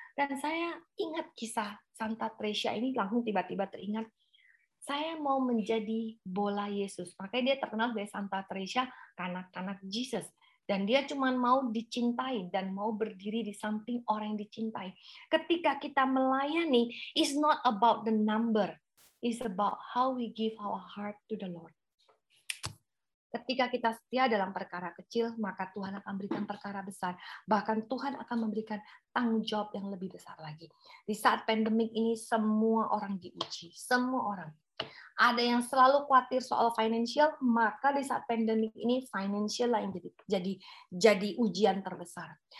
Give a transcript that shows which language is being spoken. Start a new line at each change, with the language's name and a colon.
Indonesian: Dan saya ingat kisah Santa Teresa ini langsung tiba-tiba teringat. Saya mau menjadi bola Yesus. Makanya dia terkenal sebagai Santa Teresa, kanak-kanak Jesus. Dan dia cuma mau dicintai dan mau berdiri di samping orang yang dicintai. Ketika kita melayani,
English: it's not about the number. It's about how we give our heart to the Lord.
Indonesian: Ketika kita setia dalam perkara kecil, maka Tuhan akan memberikan perkara besar. Bahkan Tuhan akan memberikan tanggung jawab yang lebih besar lagi. Di saat pandemik ini, semua orang diuji. Semua orang. Ada yang selalu khawatir soal financial, maka di saat pandemik ini, financial lah yang jadi ujian terbesar.